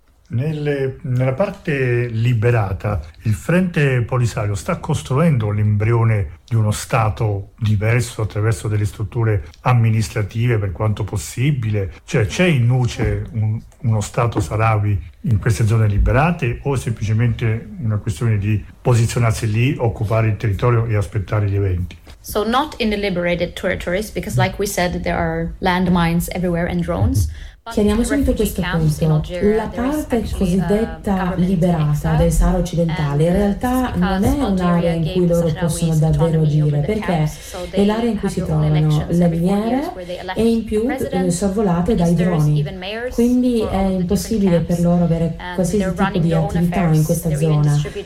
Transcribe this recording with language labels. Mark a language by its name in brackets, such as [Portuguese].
[Italian] Nella parte liberata, il Frente Polisario sta costruendo l'embrione di uno Stato diverso attraverso delle strutture amministrative per quanto possibile? Cioè, c'è in nuce uno Stato Sahrawi in queste zone liberate o è semplicemente una questione di posizionarsi lì, occupare il territorio e aspettare gli eventi? [English] So not in the liberated territories, because like we said, there are landmines everywhere and drones. [Italian] Chiariamo subito questo punto. La parte cosiddetta liberata del Sahara occidentale in realtà non è un'area in cui loro possono davvero agire, perché è l'area in cui si trovano le miniere e in più sorvolate dai droni, quindi è impossibile per loro avere qualsiasi tipo di attività in questa zona.